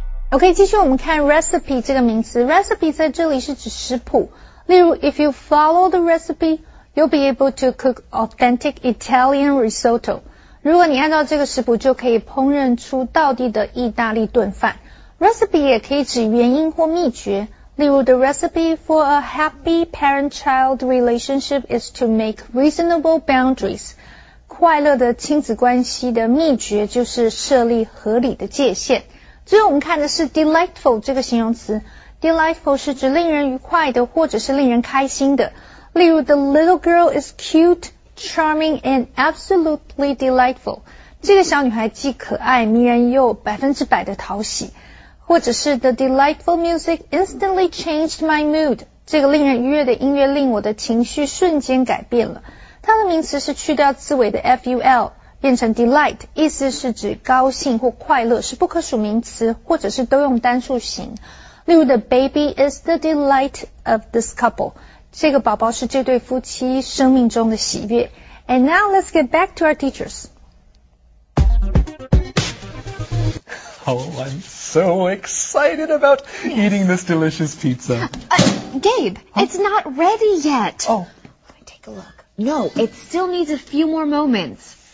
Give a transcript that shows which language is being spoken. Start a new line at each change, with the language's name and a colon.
Chinese: OK, 继续我们看 recipe 这个名词。Recipe 在这里是指食谱。例如
English: if you follow the recipe, you'll be able to cook authentic Italian risotto.
Chinese: 如果你按照这个食谱就可以烹饪出道地的意大利炖饭。 Recipe 也可以指原因或秘诀。例如
English: the recipe for a happy parent-child relationship is to make reasonable boundaries.
Chinese: 快乐的亲子关系的秘诀就是设立合理的界限。最后我们看的是 delightful 这个形容词。Delightful 是指令人愉快的或者是令人开心的。例如
English: the little girl is cute, charming and absolutely delightful.
Chinese: 这个小女孩既可爱迷人又百分之百的讨喜。或者是
English: the delightful music instantly changed my mood.
Chinese: 这个令人愉悦的音乐令我的情绪瞬间改变了。它的名词是去掉字尾的 ful, 变成 delight, 意思是指高兴或快乐，是不可数名词或者是都用单数型。例如
English: the baby is the delight of this couple.
Chinese: 这个宝宝是这对夫妻生命中的喜悦。
English: And now let's get back to our teachers. Oh, I'm so excited about eating this delicious pizza. Gabe, it's not ready yet. Oh. Let me take a look. No, it still needs a few more moments.